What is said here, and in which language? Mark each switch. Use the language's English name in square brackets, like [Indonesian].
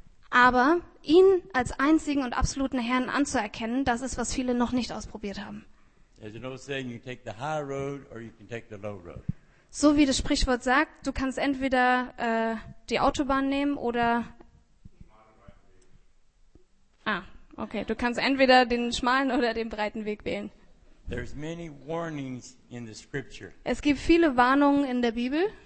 [German] Aber ihn als einzigen und absoluten Herrn anzuerkennen, das ist, was viele noch nicht ausprobiert haben. [English] There's an old saying, you take the high road or you can take the low road. [German] So wie das Sprichwort sagt, du kannst entweder die Autobahn nehmen oder okay, du kannst entweder den schmalen oder den breiten Weg wählen. [English] There's many warnings in the scripture. [German] Es gibt viele Warnungen in der Bibel.